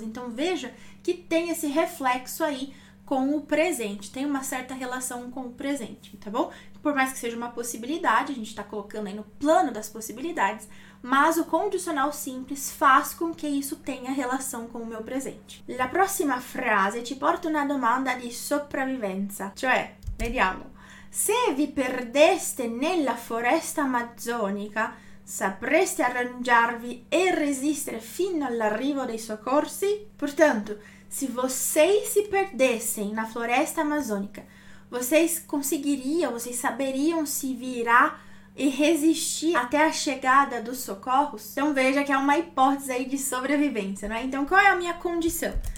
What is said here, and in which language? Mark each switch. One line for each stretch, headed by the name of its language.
Portuguese: Então, veja que tem esse reflexo aí com o presente, tem uma certa relação com o presente, tá bom? Por mais que seja uma possibilidade, a gente está colocando aí no plano das possibilidades, mas o condicional simples faz com que isso tenha relação com o meu presente.
Italian: La prossima frase ti porta una domanda di sopravvivenza, cioè, vediamo, se vi perdeste nella foresta amazzonica, sapreste arrangiarvi e resistere fino all'arrivo dei soccorsi?
Portuguese: Portanto, se vocês se perdessem na floresta amazônica, vocês conseguiriam, vocês saberiam se virar e resistir até a chegada dos socorros? Então veja que é uma hipótese aí de sobrevivência, não é? Então qual é a minha condição?